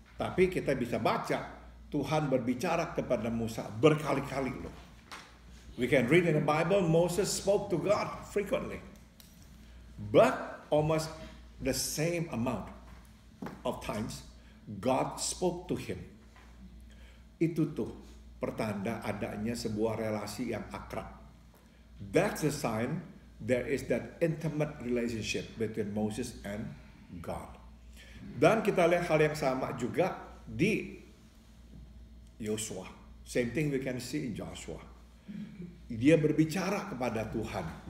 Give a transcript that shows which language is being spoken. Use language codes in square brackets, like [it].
[id] Tapi kita bisa baca, Tuhan berbicara kepada Musa berkali-kali loh. [en] We can read in the Bible, Moses spoke to God frequently. But almost the same amount of times, God spoke to him. [id] Itu tuh pertanda adanya sebuah relasi yang akrab. [en] That's a sign there is that intimate relationship between Moses and God. [id] Dan kita lihat hal yang sama juga di Yosua. [en] Same thing we can see in Joshua. [id] Dia berbicara kepada Tuhan.